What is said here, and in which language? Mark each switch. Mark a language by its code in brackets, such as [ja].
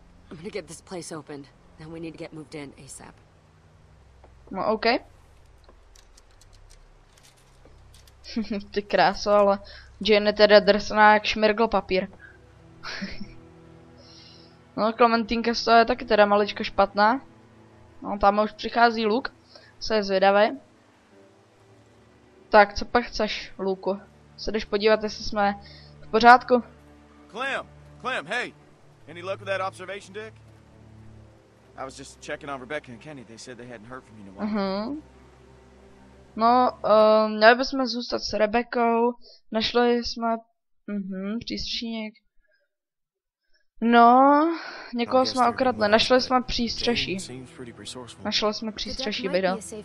[en] I'm gonna get this place opened, then we need to get moved in ASAP. [cs] No, okay. Ty kráso, ale Jane je teda drsná jak šmirgl papír. No, Clementinka z toho je taky teda maličko špatná. No, tam už přichází Luke, co je zvědavý. Tak, co pak chceš, Luku? Se jdeš podívat, jestli jsme v pořádku? [en] Clem! Clem, hej! Any luck with that observation deck? I was just checking on Rebecca and Kenny. They said they hadn't heard from you in a while. [cs] No, měli bychom zůstat s Rebekou. Našli jsme... přístřešník. No, někoho jsme okradli. Našli jsme přístřeší. Našli jsme přístřeší, bydl.